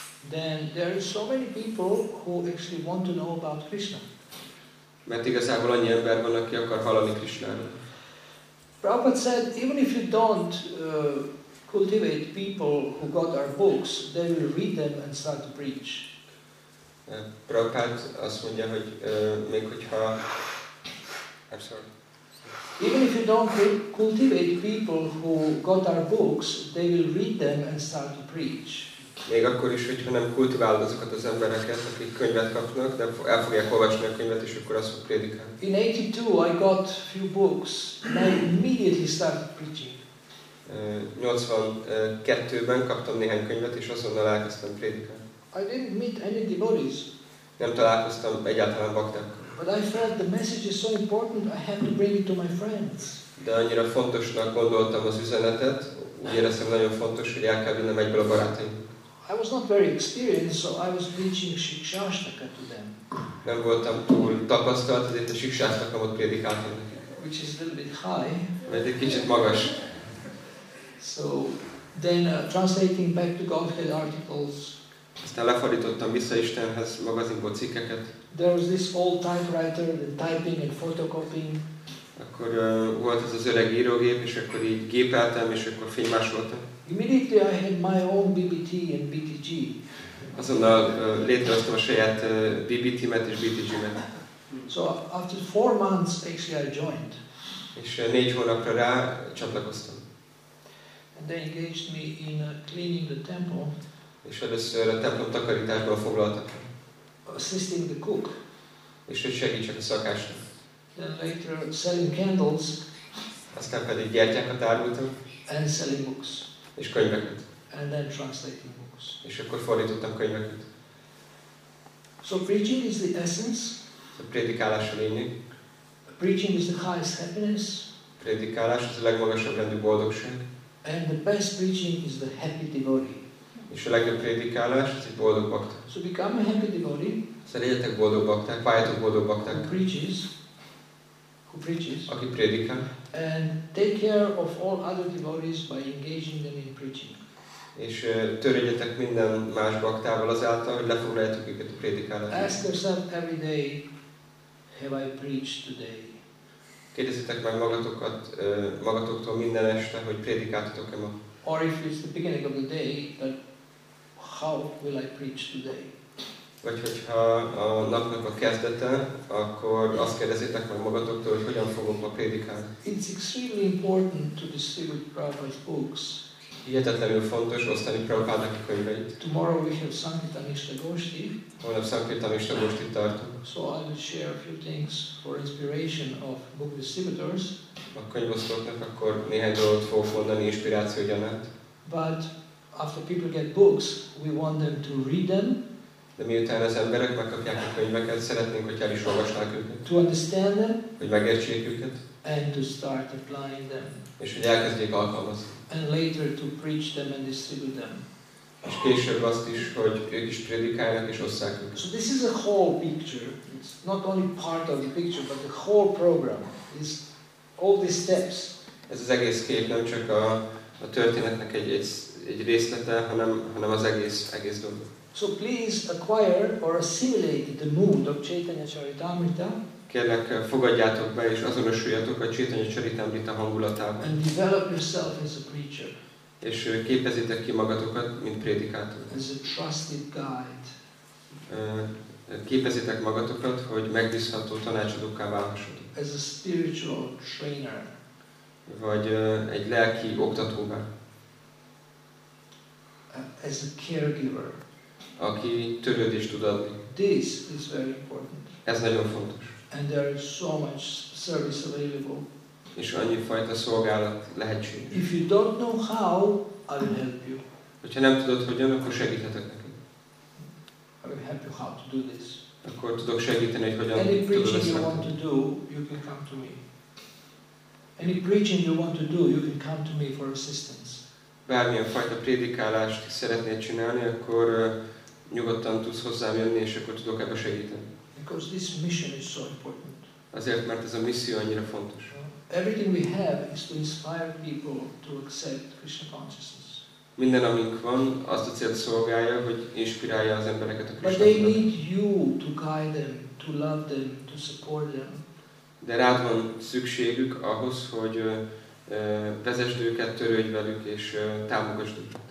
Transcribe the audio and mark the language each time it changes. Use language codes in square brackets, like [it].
[en] Then there are so many people who actually want to know about Krishna. [hu] Mert igazából annyi ember van, aki akar hallani Krishnáról. [en] Prabhupada said, even if you don't cultivate people who got our books, they will read them and start to preach. [hu] Prabhupada azt mondja, hogy még hogyha... [en] I'm sorry. Even if you don't cultivate people who got our books, they will read them and start to preach. [hu] Még akkor is, hogyha nem kultiválod azokat az embereket, akik könyvet kapnak, de el fogják olvasni a könyvet, és akkor azt fog prédikálni. [en] In 82 I got few books and I immediately started preaching. [hu] 82-ben kaptam néhány könyvet, és azonnal elkezdtem prédikálni. [en] I didn't meet any devotees. [hu] Nem találkoztam egyáltalán baktákkal. [en] But I felt the message is so important, I had to bring it to my friends. [hu] De annyira fontosnak gondoltam az üzenetet, úgy éreztem nagyon fontos, hogy el kell vinnem egyből a barátaim. [en] I was not very experienced, so I was preaching Shikshashtaka to them. [hu] Nem voltam túl tapasztalt, ezért a Shikshashtakamot prédikáltam nekik. [en] Which is a little bit high. [hu] Mert egy kicsit magas. [en] So, then translating back to Godhead articles. [hu] Aztán lefordítottam vissza Istenhez magazinból cikkeket. [en] There was this old typewriter, the typing and photocopying. [hu] Akkor volt ez az öreg írógép, és akkor így gépeltem, és akkor fénymásoltam. [en] Immediately I had my own BBT and BTG. [hu] Azonnal létrehoztam a saját BBT-met és BTG-met. [en] So after 4 months actually I joined. [hu] És 4 hónapra rá csatlakoztam. [en] And they engaged me in cleaning the temple. [hu] És először a templom takarításban foglaltak. [en] Assisting the cook. [hu] És hogy segítsek a szakásnak. [en] Then later selling candles. [hu] Aztán pedig gyertyákat árultam. [en] And selling books. [hu] És könyveket. [en] And then translating books. [hu] És akkor fordítottam könyveket. [en] So preaching is the essence. [hu] A prédikálás a lényeg. [en] Preaching is the highest happiness. [hu] A prédikálás az a legmagasabb rendű boldogság. [en] And the best preaching is the happy devotee. [hu] És a legjobb prédikálás az egy boldog bakta. [en] So become a happy devotee. [hu] Szóval legyetek boldog bakták, váljatok boldog bakták. [en] Who preaches. [hu] Aki prédikál. [en] And take care of all other devotees by engaging them in preaching. [hu] És törődjetek minden más baktával azáltal, hogy lefoglaljátok őket a prédikálásra. [en] Ask yourself every day, have I preached today? [hu] Kérdezzétek meg magatokat, magatoktól minden este, hogy prédikáltatok-e ma. [en] Or if it's the beginning of the day, but how will I preach today? [hu] Vagy hogyha a napnak a kezdete, akkor azt kérdezzétek meg magatoktól, hogy hogyan fogok ma prédikálni. [en] It's extremely important to distribute Prabhupada's books. [hu] Hihetetlenül fontos osztani Prabhupádnak a könyveit. [en] Tomorrow we have Sankirtanista Goshti. [hu] Holnap Sankirtanista Goshtit tartunk. [en] So I will share a few things for inspiration of book distributors. [hu] A könyvosztóknak akkor néhány dolgot fogok mondani inspiráció gyanát. [en] But after people get books, we want them to read them. [hu] De miután az emberek megkapják a könyveket, szeretnénk, hogy el is olvasnák őket. [en] To understand them. [hu] Hogy megértsék őket. [en] And to start applying them. [hu] És hogy elkezdjék alkalmazni. [en] And later to preach them and distribute them. [hu] És később azt is, hogy ők is prédikálnak és osszák őket. [en] So this is a whole picture. It's not only part of the picture, but the whole program is all these steps. [hu] Ez az egész kép, nem csak a történetnek egy részlete, hanem az egész dolog. [en] So please acquire or assimilate the mood of Chaitanya Charitamrita. [hu] Kérlek, fogadjátok be és azonosuljatok a Chaitanya Charitamrita hangulatában. [en] And develop yourself as a preacher. [hu] És képezitek ki magatokat, mint prédikátor. [en] As a trusted guide. [hu] Képezitek magatokat, hogy megbízható tanácsadókká válhassatok. [en] As a spiritual trainer. [hu] Vagy egy lelki oktatóvá. [en] As a caregiver. [hu] Aki törődést tud adni. [en] This is very important. [hu] Ez nagyon fontos. [en] And there is so much service available. [hu] És annyi fajta szolgálat lehetséges. [en] If you don't know how, I will help you. [hu] Hogyha nem tudod hogyan, akkor segíthetek neked. [en] I will help you how to do this. [hu] Akkor tudok segíteni, hogy hogyan. [en] Any preaching you want to do, you can come to me. Any preaching you want to do, you can come to me for assistance. [hu] Bármilyen fajta prédikálást szeretnél csinálni, akkor nyugodtan tudsz hozzám jönni, és akkor tudok ebbe segíteni. [en] Because this mission is so important. [hu] Azért, mert ez a misszió annyira fontos. [en] Everything we have is to inspire people to accept Krishna consciousness. [hu] Minden, amink van, azt a célt szolgálja, hogy inspirálja az embereket a Krishna. [en] But they need you to guide them, to love them, to support them. [hu] De rád van szükségük ahhoz, hogy vezesd őket, törődj velük és támogasd őket.